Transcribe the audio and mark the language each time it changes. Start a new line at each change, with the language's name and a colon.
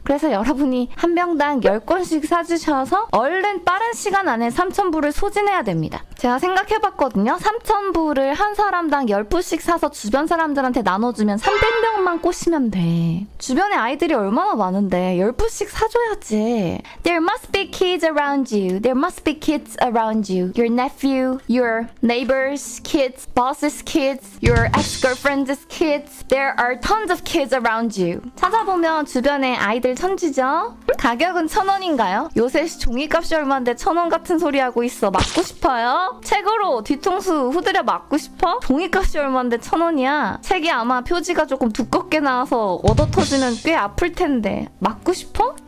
Korean: 그래서 여러분이 한 명당 10권씩 사주셔서 얼른 빠른 시간 안에 3,000부를 소진해야 됩니다. 제가 생각해봤거든요. 3,000부를 한 사람당 10부씩 사서 주변 사람들한테 나눠주면 300명만 꼬시면 돼. 주변에 아이들이 얼마나 많은데 10부씩 사줘야지.
English: There must be kids around you. There must be kids around you. Your nephew, your neighbor's kids, boss's kids, your ex-girlfriend's kids. There are tons of kids around you.
Korean: 찾아보면 주변에 아이들 천지죠? 가격은 1,000원인가요? 요새 종이값이 얼마인데 1,000원 같은 소리하고 있어. 맞고 싶어요? 책으로 뒤통수 후드려 맞고 싶어? 종이값이 얼마인데 1,000원이야? 책이 아마 표지가 조금 두껍게 나와서 얻어 터지면 꽤 아플 텐데 맞고 싶어?